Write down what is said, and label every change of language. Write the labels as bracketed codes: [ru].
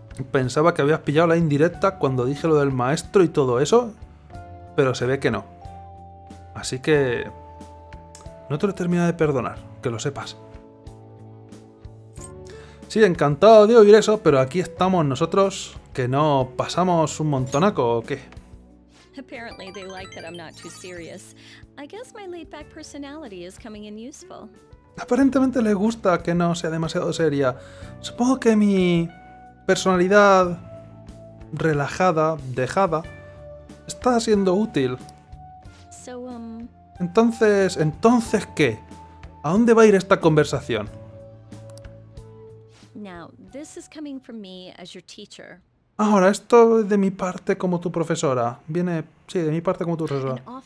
[es] Pensaba que habías pillado la indirecta cuando dije lo del maestro y todo eso, pero se ve que no. Así que... No te lo he terminado de perdonar, que lo sepas. Sí, encantado de oír eso, pero aquí estamos nosotros, que no pasamos un montonaco o qué. [en] Apparently they like that I'm not too serious. I guess my laid-back personality is coming in useful. [es] Aparentemente le gusta que no sea demasiado seria. Supongo que mi personalidad relajada, dejada, está siendo útil. Entonces ¿qué? ¿A dónde va a ir esta conversación? [en] Now, this is coming from me as your teacher. [es] Ahora, esto de mi parte como tu profesora. Viene, sí, de mi parte como tu profesora.